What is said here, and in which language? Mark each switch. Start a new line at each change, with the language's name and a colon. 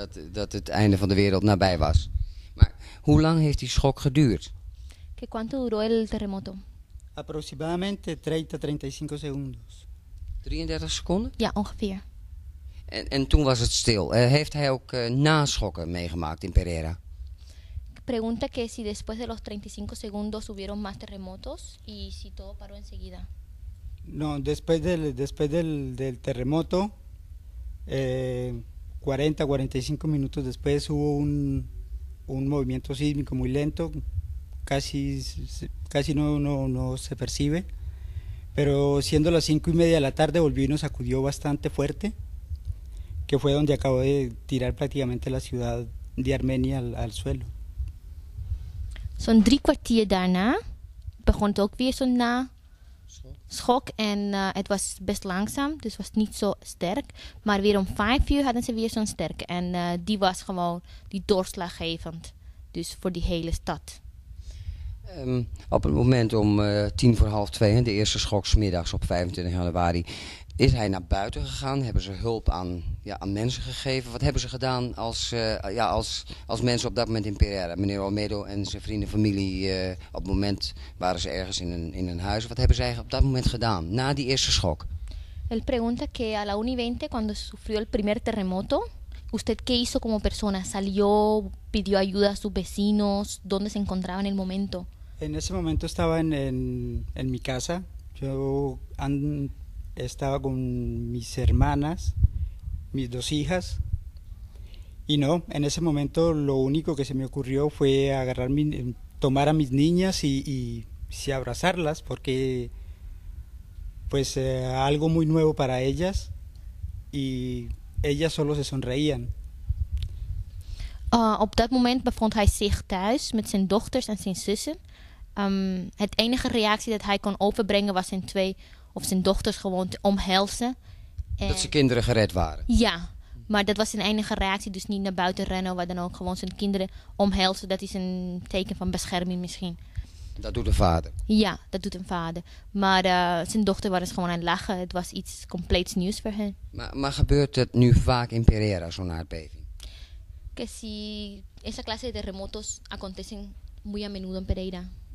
Dutch: Dat het einde van de wereld nabij was. Maar hoe lang heeft die schok geduurd?
Spanish: Que cuánto duró el terremoto? Aproximadamente 30-35 segundos.
Dutch: 33 seconden? Ja, ongeveer. En toen was het stil. Heeft hij ook naschokken meegemaakt in Pereira?
Spanish: Pregunta que si después de los 35 segundos hubieron más terremotos y si todo paró enseguida. No, después del terremoto, 40-45 minutos después hubo un movimiento sísmico muy lento, casi no se percibe, pero siendo las 5:30 de la tarde volvió y nos sacudió bastante fuerte, que fue donde acabó de tirar prácticamente la ciudad de Armenia al suelo.
Dutch: Zo'n 3 kwartier daarna begon het ook weer zo'n naschok. En het was best langzaam, dus het was niet zo sterk. Maar weer om 5:00 hadden ze weer zo'n sterk. En die was gewoon die doorslaggevend. Dus voor die hele stad. Op het moment om 2:50, de eerste schok 's middags op 25 januari, is hij naar buiten gegaan? Hebben ze hulp aan mensen gegeven? Wat hebben ze gedaan als mensen op dat moment in Pereira? Meneer Olmedo en zijn vrienden, familie, op het moment waren ze ergens in een huis. Wat hebben zij op dat moment gedaan, na die eerste schok?
Spanish: Él pregunta que a la 1:20, cuando sufrió el primer terremoto, ¿usted qué hizo como persona? ¿Salió, pidió ayuda a sus vecinos? ¿Dónde se encontraba en el momento? En ese momento estaba en mi casa. Yo estaba con mis hermanas, mis dos hijas. Y no, en ese momento lo único que se me ocurrió fue tomar a mis niñas y abrazarlas, porque pues algo muy nuevo para ellas. Y ellas solo se sonreían.
Dutch: Op dat moment bevond hij zich thuis met zijn dochters en zijn zussen. Het enige reactie dat hij kon overbrengen was zijn twee of zijn dochters gewoon te omhelzen. Dat zijn kinderen gered waren. Ja, maar dat was zijn enige reactie. Dus niet naar buiten rennen, maar dan ook gewoon zijn kinderen omhelzen. Dat is een teken van bescherming misschien. Dat doet een vader. Ja, dat doet een vader. Maar zijn dochter was gewoon aan het lachen. Het was iets compleets nieuws voor hen. Maar gebeurt het nu vaak in Pereira, zo'n aardbeving?
Spanish: Que si esa clase de terremotos acontecen muy a menudo en Pereira.